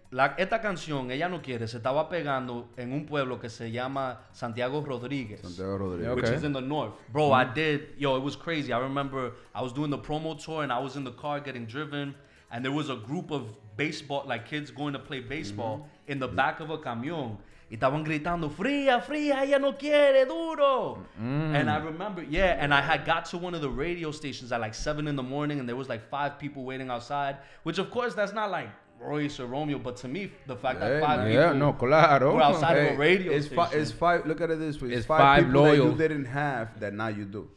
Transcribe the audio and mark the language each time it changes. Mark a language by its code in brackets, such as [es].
[es] Esta canción, Ella No Quiere, se estaba pegando en un pueblo que se llama Santiago Rodríguez. [en] Which is in the north. Bro, I did, it was crazy. I remember I was doing the promo tour and I was in the car getting driven. and there was a group of baseball, like kids going to play baseball mm-hmm. in the mm-hmm. back of a camión. [es] Y estaban gritando, fría, fría, ella no quiere, duro. Mm-hmm. [en] And I remember, yeah, and I had got to one of the radio stations at like 7 in the morning, and there was like 5 people waiting outside, which of course, that's not like Royce or Romeo, but to me, the fact that 5 people [es] yeah, no, claro. [en] Were outside of a radio it's station. It's 5, look at it this way. It's 5 people loyal. That you didn't have that now you do.